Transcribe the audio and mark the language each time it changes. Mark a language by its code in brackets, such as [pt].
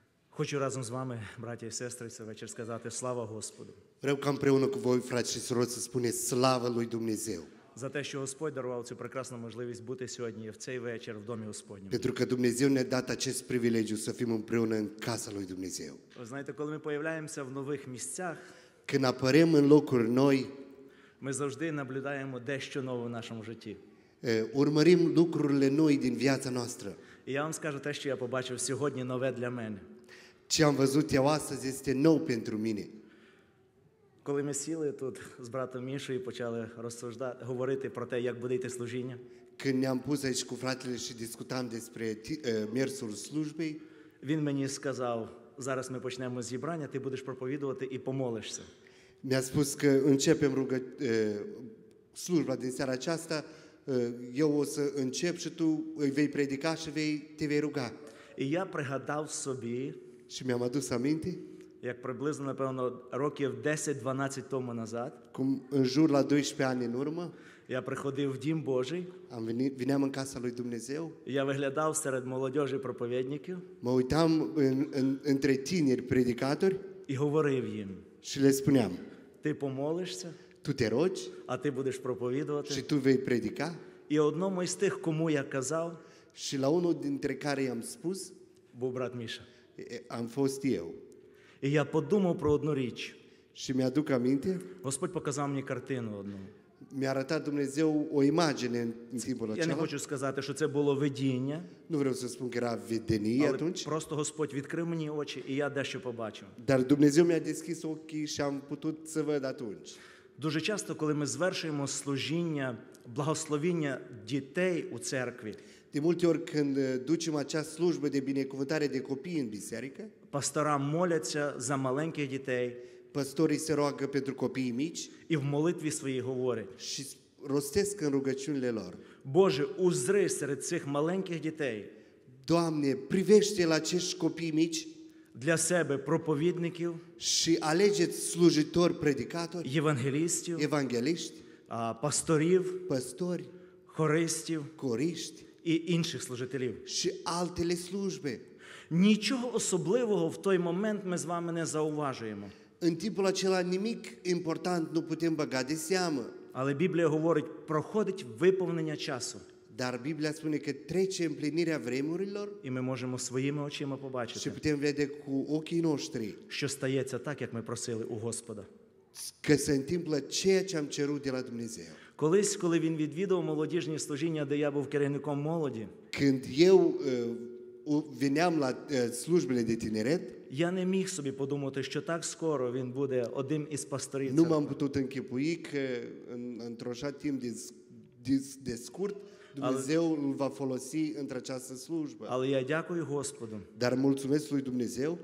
[uk] Хочу разом з вами, браті і сестри, цей вечір сказати слава Господу. [ro] Vreau ca împreună cu voi, frați și surori, să spuneți slavă lui Dumnezeu. [uk] За те, що Господь дарував цю прекрасну можливість бути сьогодні в цей вечір в домі Господньому. [ro] Pentru că Dumnezeu ne-a dat acest privilegiu să fim împreună în casa lui Dumnezeu. [uk] Ви знаєте, коли ми появляємося в нових місцях, [ro] când apărăm în locuri noi, [uk] ми завжди наблюдаємо дещо нове в нашому житті. [ro] Urmărim lucrurile noi din viața noastră. [uk] І я вам скажу те, що я побачив сьогодні нове для мене. [ro] Ce am văzut eu astăzi este nou pentru mine. [uk] Коли ми сіли тут з братом Мішою і почали розсуждати, говорити про те, як буде йти служіння. [ro] Când ne-am pus aici cu fratele și discutam despre mersul slujbei, [uk] він мені сказав: "Зараз ми почнемо зібрання, ти будеш проповідувати і помолишся". [ro] Mi-a spus că începem slujba din seara aceasta, eu o să încep și tu vei predica și te vei ruga. [uk] І я пригадав собі, [ro] și mi-am adus aminte, [uk] як приблизно, напевно, років 10-12 тому назад, [ro] cum în jur la 12 ani în urmă, [uk] я приходив в Дім Божий, [ro] am venit, veneam în casa lui Dumnezeu, [uk] я виглядав серед молодежі проповідників, [ro] mă uitam între tineri predicatori, [uk] і говорив їм, [ro] și le spuneam, [uk] ти помолишся, [ro] tu te rogi, [uk] а ти будеш проповідувати, [ro] și tu vei predica, [uk] і одному із тих, кому я казав, [ro] și la unul dintre care i-am spus, [uk] був брат Міша, [ro] am fost eu. [uk] І я подумав про одну річ. [ro] Și mi-aduc aminte. [uk] Господь показав мені картину одну. [ro] mi-a arătat Dumnezeu o imagine în timpul acela. [uk] Я не хочу сказати, що це було видіння. [ro] Nu vreau să spun că era vedenie atunci. [uk] Просто Господь відкрив мені очі, і я дещо побачив. [ro] Dar Dumnezeu mi-a deschis ochii și am putut să văd atunci. [uk] Дуже часто, коли ми звершуємо служіння, благословіння дітей у церкві. [ro] De multe ori când ducem această slujbă de binecuvântare de copii în biserică, [uk] pastora moleță za malenkih dětej, [ro] pastorii se roagă pentru copiii mici, [uk] i v molitvi svojih govorit, [ro] și rostesc în rugăciunile lor. [uk] Боже, узри серед цих маленьких дітей. [ro] Doamne, privește la acești copii mici, [uk] для себе проповідників, [ro] și alegeți slujitori, predicatori, [uk] evanghelistів, [ro] evangeliști, [uk] pastorів, [ro] pastori, [uk] хористів, [ro] хористи, [uk] і інших служителів. [ro] Și altele slujbe. [uk] Нічого особливого в той момент ми з вами не зауважуємо. [ro] În timpul acela nimic important nu putem băga de seamă. [uk] Але Біблія говорить, проходить виповнення часу. [ro] Dar Biblia spune că trece împlinirea vremurilor. [uk] І ми можемо своїми очима побачити. [ro] Și putem vedea cu ochii noștri. [uk] Що стається так, як ми просили у Господа. [ro] Că se întâmplă ceea ce am cerut de la Dumnezeu. [uk] Колись, коли він відвідував молодіжні служіння, де я був керівником молоді, [ro] când eu veneam la slujbele de tineret, [uk] я не міг собі подумати, що так скоро він буде одним із пасторів. [ro] Nu m-am putut închipui că într-o așa timp de scurt Dumnezeu îl va folosi într-o această slujbă. [uk] Але я дякую Господу. [ro] Dar mulțumesc lui Dumnezeu